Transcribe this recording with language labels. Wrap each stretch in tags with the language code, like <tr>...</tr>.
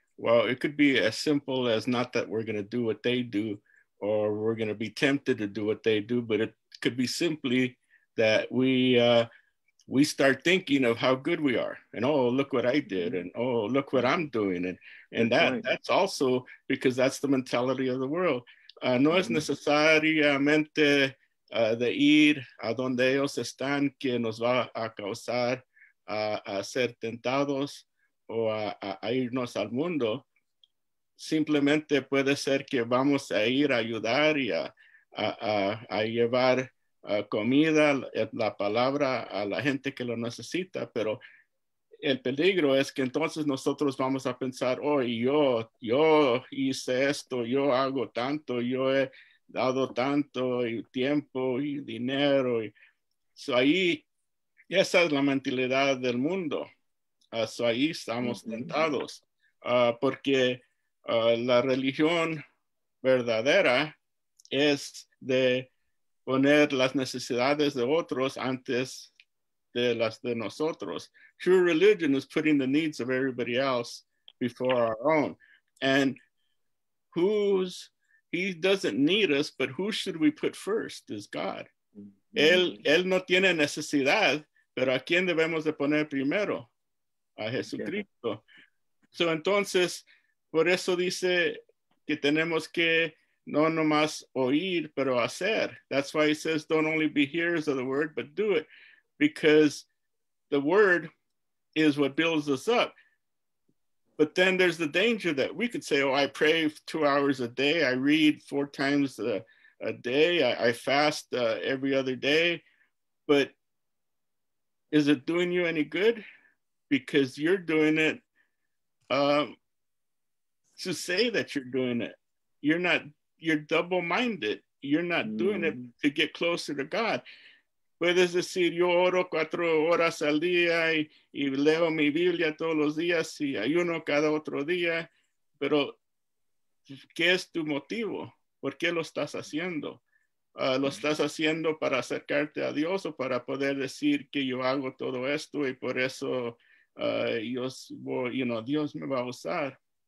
<en>Well, it could be as simple as not that we're going to do what they do or we're going to be tempted to do what they do, but it could be simply that we start thinking of how good we are and, oh, look what I did and, oh, look what I'm doing. And that's also because that's the mentality of the world.</en> <es>No es necesariamente de ir a donde ellos están que nos va a causar a ser tentados o a irnos al mundo, simplemente puede ser que vamos a ir a ayudar y a llevar comida, la palabra a la gente que lo necesita, pero el peligro es que entonces nosotros vamos a pensar, oh, yo hice esto, yo hago tanto, yo he dado tanto y tiempo y dinero. Y so ahí, esa es la mentalidad del mundo. So ahí estamos tentados. Porque la religión verdadera es de poner las necesidades de otros antes de las de nosotros.</es> <en>True religion is putting the needs of everybody else before our own. And he doesn't need us, but who should we put first is God. Mm-hmm.</en> <es>Él no tiene necesidad, pero ¿a quién debemos de poner primero? A Jesucristo. Okay. So entonces, por eso dice que tenemos que no nomás oír, pero hacer.</es> <en>That's why he says, don't only be hearers of the word, but do it. Because the word is what builds us up. But then there's the danger that we could say, oh, I pray 2 hours a day. I read 4 times a day. I fast every other day. But is it doing you any good? Because you're doing it to say that you're doing it. You're double-minded. You're not doing it to get closer to God.</en> <es>Puedes decir, yo oro 4 horas al día y leo mi Biblia todos los días y ayuno cada otro día. Pero, ¿qué es tu motivo? ¿Por qué lo estás haciendo? ¿Lo estás haciendo para acercarte a Dios o para poder decir que yo hago todo esto y por eso Dios me va a usar?</es>